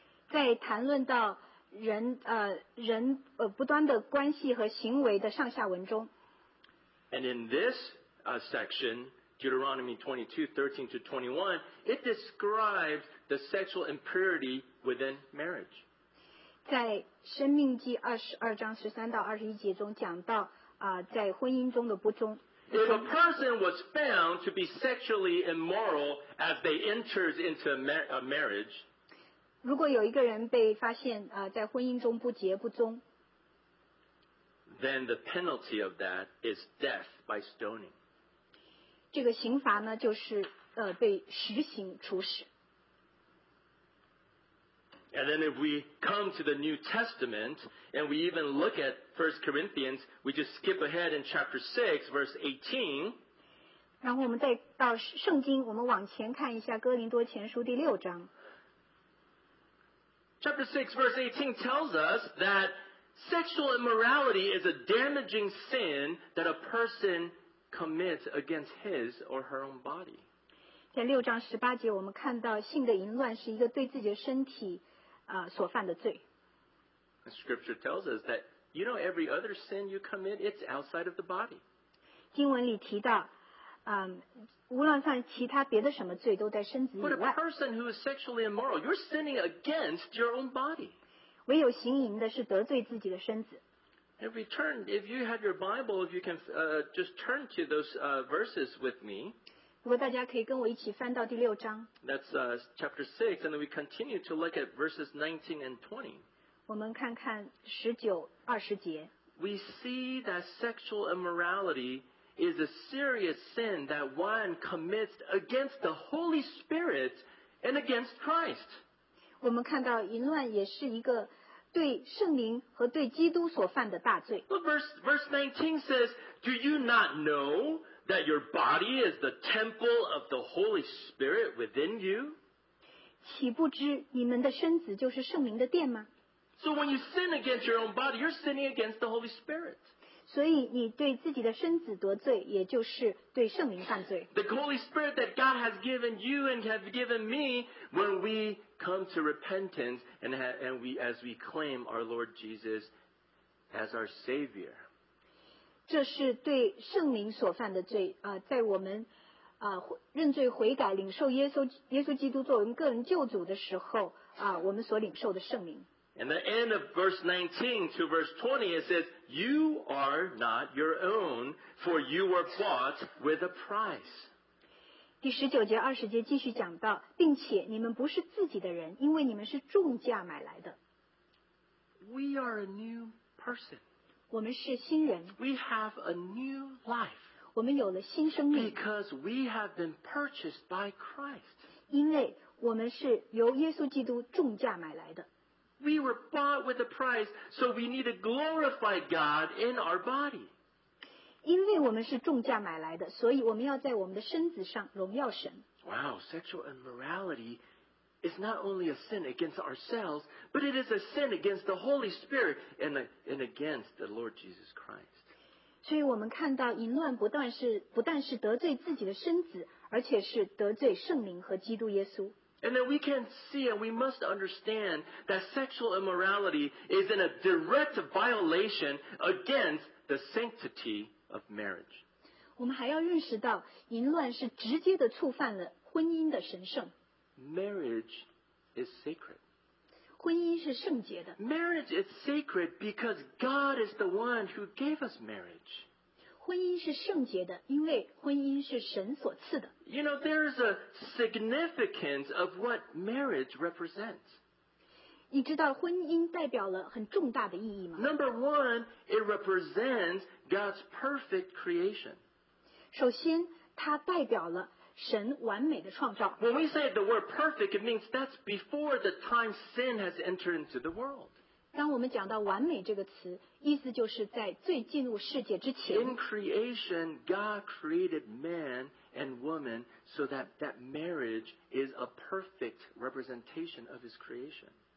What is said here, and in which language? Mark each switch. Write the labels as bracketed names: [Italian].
[Chinese] 在谈论到人不端的关系和行为的上下文中。 [English] And in this section, Deuteronomy 22:13 to 21, it describes the sexual impurity within marriage. [Chinese] 在生命记二十二章十三到二十一节中讲到。在婚姻中的不忠。 [English] If a person was found to be sexually immoral as they entered into a marriage, [Chinese] 如果有一个人被发现在婚姻中不洁不忠， [English] then the penalty of that is death by stoning. [Chinese] 这个刑罚呢就是被实行处死。 [English] And then if we come to the New Testament, and we even look at 1 Corinthians, we just skip ahead in chapter 6, verse 18. [Chinese] 然后我们再到圣经，我们往前看一下哥林多前书第六章。 [English] Chapter 6, verse 18 tells us that sexual immorality is a damaging sin that a person commits against his or her own body. [Chinese] 在六章十八节，我们看到性的淫乱是一个对自己的身体所犯的罪。 [English] The scripture tells us that, you know, every other sin you commit, it's outside of the body. [Chinese] 经文里提到无论犯其他别的什么罪都在身子以外。 [English] But a person who is sexually immoral, you're sinning against your own body. [Chinese] 唯有行淫的是得罪自己的身子。 [English] If you have your Bible, if you can just turn to those verses with me. [Chinese] 如果大家可以跟我一起翻到第六章。 [English] That's chapter 6, and then we continue to look at verses 19 and 20. [Chinese] 我们看看十九、二十节。 [English] We see that sexual immorality is a serious sin that one commits against the Holy Spirit and against Christ. [Chinese] 我们看到淫乱也是一个对圣灵和对基督所犯的大罪。 [English] But verse 19 says, Do you not know that your body is the temple of the Holy Spirit within you? [Chinese] 岂不知你们的身子就是圣灵的殿吗？ [English] So when you sin against your own body, you're sinning against the Holy Spirit. [Chinese] 所以你对自己的身子得罪，也就是对圣灵犯罪。 [English] The Holy Spirit that God has given you and has given me, when we come to repentance and we claim our Lord Jesus as our Savior. [Chinese] 这是对圣灵所犯的罪在我们认罪悔改领受耶稣基督作为个人救主的时候我们所领受的圣灵。 [English] And the end of verse 19 to verse 20 it says You are not your own for you were bought with a price. [Chinese] 第十九节二十节继续讲到并且你们不是自己的人因为你们是重价买来的。 [English] We are a new person. [Chinese] 我们是新人。 [English] We have a new life. [Chinese] 我们有了新生命。 [English] Because we have been purchased by Christ. [Chinese] 因为我们是由耶稣基督重价买来的。 [English] We were bought with a price, so we need to glorify God in our body. [Chinese] 因为我们是重价买来的，所以我们要在我们的身子上荣耀神。 [English] Wow, sexual immorality is not only a sin against ourselves, but it is a sin against the Holy Spirit and against the Lord Jesus Christ. [Chinese] 所以我们看到淫乱不但是得罪自己的身子，而且是得罪圣灵和基督耶稣。 [English] And then we can see and we must understand that sexual immorality is in a direct violation against the sanctity of marriage. [Chinese] 我们还要认识到淫乱是直接的触犯了婚姻的神圣。 [English] Marriage is sacred. [Chinese] 婚姻是圣洁的。 [English] Marriage is sacred because God is the one who gave us marriage. [Chinese] 婚姻是圣洁的，因为婚姻是神所赐的。 [English] You know, there is a significance of what marriage represents. [Chinese] 你知道婚姻代表了很重大的意义吗？ [English] Number one, it represents God's perfect creation. [Chinese] 首先，它代表了神完美的创造。 [English] When we say the word perfect, it means that's before the time sin has entered into the world. [Chinese] 当我们讲到完美这个词，意思就是在罪进入世界之前。 [English] In creation, God created man and woman so that that marriage is a perfect representation of His creation.